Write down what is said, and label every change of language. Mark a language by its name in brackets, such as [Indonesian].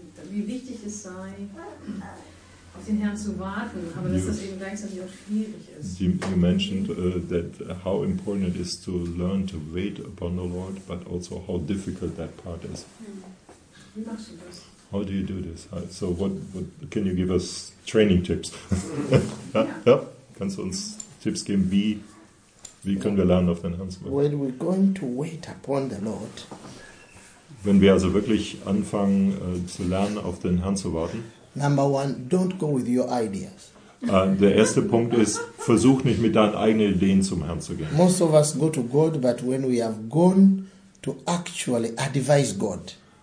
[German] Wie wichtig es sei, auf den Herrn zu warten, aber dass das eben gleichzeitig auch schwierig ist. [English] You mentioned that how important it is to learn to wait upon the Lord, but also how difficult that part is. [German] Wie machst du das? [English] How do you do this? So what can you give us training tips? [German] ja, kannst du uns Tipps geben, wie können wir lernen, auf den Herrn zu warten? [English] When we're going to wait upon the Lord. [German] Wenn wir also wirklich anfangen zu lernen, auf den Herrn zu warten. [English] Number one, don't go with your ideas. [German] Der erste Punkt ist, versuch nicht mit deinen eigenen Ideen zum Herrn zu gehen. [English] Most of us go to God, but when we have gone to actually advise God.